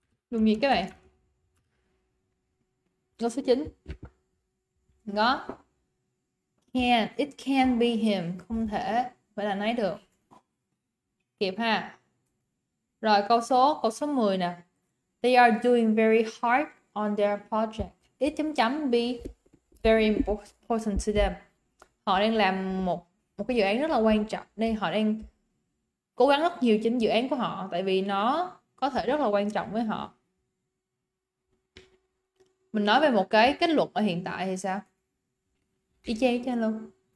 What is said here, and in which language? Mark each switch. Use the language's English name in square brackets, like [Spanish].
[Vietnamese] Dùng gì các bạn? Câu số 9. Có. [English] Can, it can be him. [Vietnamese] Không thể phải là nấy được. Kịp ha. Rồi câu số 10 nè. [English] They are doing very hard on their project. It [Vietnamese] chấm chấm [English] be very important to them. [Vietnamese] Họ đang làm một cái dự án rất là quan trọng. Nên họ đang cố gắng rất nhiều trên dự án của họ. Tại vì nó có thể rất là quan trọng với họ. Mình nói về một cái kết luận ở hiện tại thì sao? Y chang cho luôn.